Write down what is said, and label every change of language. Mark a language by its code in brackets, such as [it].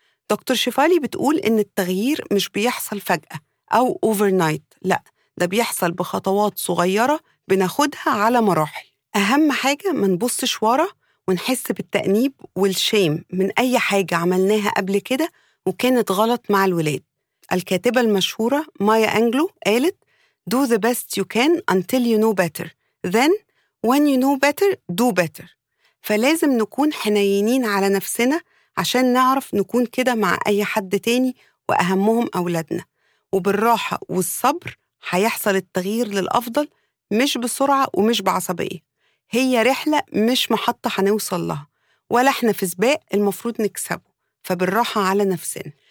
[ar] دكتور شفالي بتقول إن التغيير مش بيحصل فجأة أو overnight، لأ ده بيحصل بخطوات صغيرة بناخدها على مراحل. أهم حاجة ما نبصش ورا ونحس بالتأنيب والشيم من أي حاجة عملناها قبل كده وكانت غلط مع الولاد. الكاتبة المشهورة مايا أنجلو قالت [en] Do the best you can until you know better. Then, when you know better, do better. [ar] فلازم نكون حنينين على نفسنا عشان نعرف نكون كده مع أي حد تاني وأهمهم أولادنا. وبالراحة والصبر هيحصل التغيير للأفضل، مش بسرعة ومش بعصبية. هي رحلة مش محطة هنوصل لها، ولا احنا في سباق المفروض نكسبه، فبالراحة على نفسنا.